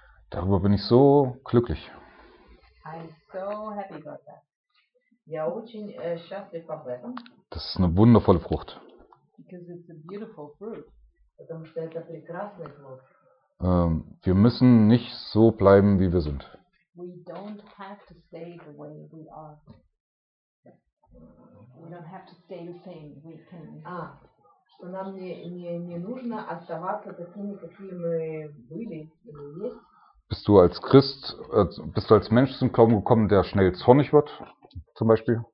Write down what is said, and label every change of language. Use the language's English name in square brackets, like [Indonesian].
[German] Darüber bin ich so glücklich. [English] I'm so happy about that. [Russian] Я очень счастлив об этом. [German] Das ist eine wundervolle Frucht. [English] Because it's a beautiful fruit. [Russian] Потому что это прекрасный плод. [German] Wir müssen nicht so bleiben, wie wir sind. [English] We don't have to stay the way we are. We don't have to stay the same. We can. [Russian] Что нам не нужно оставаться такими, какие мы были или есть. [German] Bist du als Christ, bist du als Mensch zum Glauben gekommen, der schnell zornig wird, zum Beispiel?